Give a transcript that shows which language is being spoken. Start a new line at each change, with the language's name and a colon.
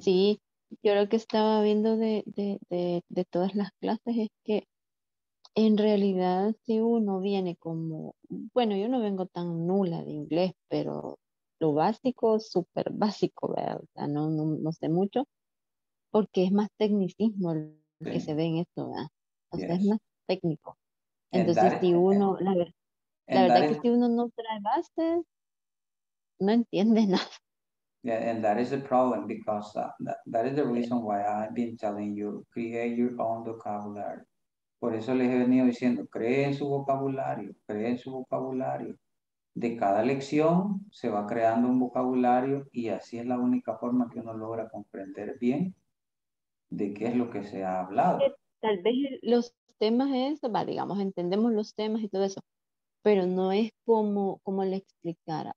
Spanish: Sí, yo lo que estaba viendo de todas las clases es que en realidad, si uno viene como, bueno, yo no vengo tan nula de inglés, pero lo básico, súper básico, ¿verdad? No, no, no sé mucho, porque es más tecnicismo lo que se ve en esto, ¿verdad? O sea, es más técnico. Entonces, si uno, la verdad es que si uno no trae bases, no entiende nada.
English: Yeah, and that is the problem because that is the reason why I've been telling you, create your own vocabulary.
Spanish: Por eso les he venido diciendo, creen su vocabulario, creen su vocabulario. De cada lección se va creando un vocabulario y así es la única forma que uno logra comprender bien de qué es lo que se ha hablado. Tal vez los temas es, digamos, entendemos los temas y todo eso, pero no es como, como le explicara.